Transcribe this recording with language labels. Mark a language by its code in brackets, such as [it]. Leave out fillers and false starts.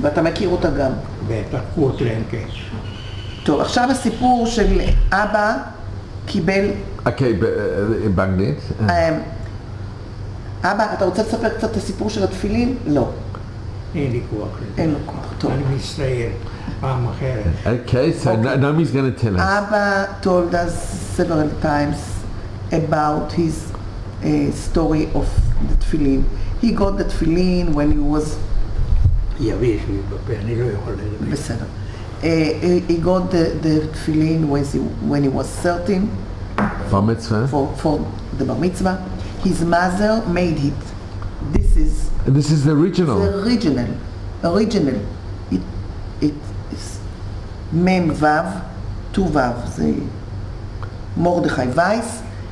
[he] ואתה מכיר אותה גם? בטח, קורט לנקה. טוב, עכשיו הסיפור של אבא קיבל... אוקיי, באנגלית. אבא, אתה רוצה לספר קצת את הסיפור של התפילין? לא. אין לי כוח לזה. אין לו כוח, טוב. אני מסתייר פעם אחרת. [en] אוקיי, so Naomi's gonna tell us. אבא told us several times about his story of the תפילין. He got the תפילין when he was... [he] יביש לי בפה, אני לא יכול לדבר. בסדר. [en] He got the תפילין when he was 13. Bar mitzvah. For the bar mitzvah. His mother made it. This is the original. The original. Original. It is Mem Vav, two Vav, the Mordechai Weisz.